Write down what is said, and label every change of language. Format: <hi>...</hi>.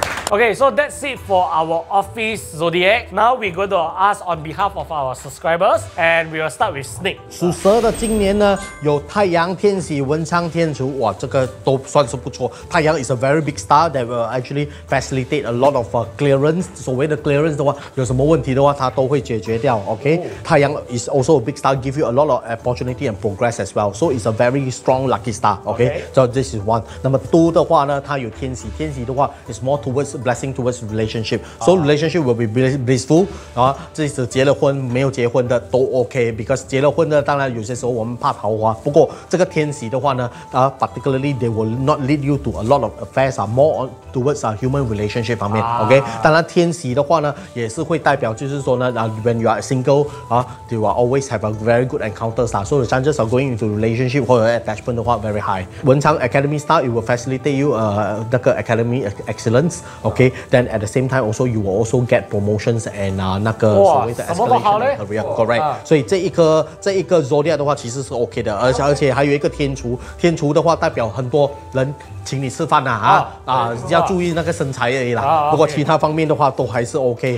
<en>Okay, so that's it for our office zodiac. Now we're going to ask on behalf of our subscribers, and we will start with Snake.</en> <zh>属蛇的今年呢，有太阳天喜、文昌天厨，哇，这个都算是不错。</zh> <en>太阳 is a very big star that will actually facilitate a lot of clearance.</en> <zh>所谓的 clearance 的话，有什么问题的话，它都会解决掉。</zh> <en>Okay, 太阳 is also a big star, give you a lot of opportunity and progress as well. So it's a very strong lucky star. Okay, so this is one.</en> <zh>那么多的话呢，它有天喜，天喜的话</zh> <en>is more towards blessing towards relationship so relationship will be blissful</en> <zh>即使结了婚没有结婚的都</zh> <en>OK because</en> <zh>结了婚的当然有些时候我们怕桃花不过这个天喜的话呢、</zh> <en>particularly they will not lead you to a lot of affairs more on towards human relationship</en> <zh>方面、</zh> <en>OK</en> <zh>当然天喜的话呢也是会代表就是说呢、</zh> <en>when you are single、 you will always have a very good encounter so the chances of going into relationship</en> <zh>或者</zh> <en>attachment 的话 very high 文昌 academy star it will facilitate you 那个 academy excellence Okay, then at the same time also you will also get promotions and</en> <zh>那个所谓的</zh> <en>escalation career, correct.</en> <zh>所以这一个 Zodiac 的话其实是 OK 的，而且还有一个天厨的话代表很多人请你吃饭呐 要注意那个身材而已啦。不过其他方面的话都还是 OK。</zh>